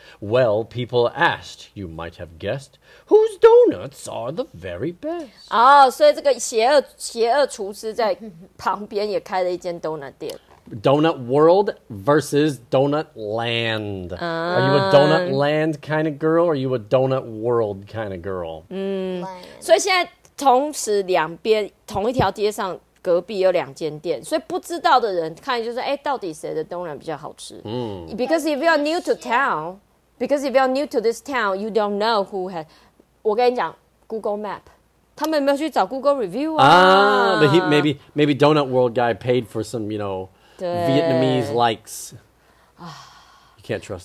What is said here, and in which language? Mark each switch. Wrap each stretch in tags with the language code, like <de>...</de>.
<en>Well, people asked, you might have guessed, whose donuts are the very best? Oh, so this</en> <zh>邪恶厨师在旁边也开了一间 donut 店</zh> <en>Donut World versus Donut Land. Are you a Donut Land kind of girl or are you a Donut World kind of girl?</en> <zh>So 现在同时两边同一条街上隔壁有两间店，所以不知道的人看就是，哎，到底谁的东南比较好吃？</zh> <en>嗯 ，Because if you're new to town, because if you're new to this town, you don't know who has.</en> <zh>我跟你讲 ，Google Map， 他们有没有去找 Google Review 啊？</zh> <en>But he, maybe Donut World guy paid for some, you know, Vietnamese likes. You can't trust.</en>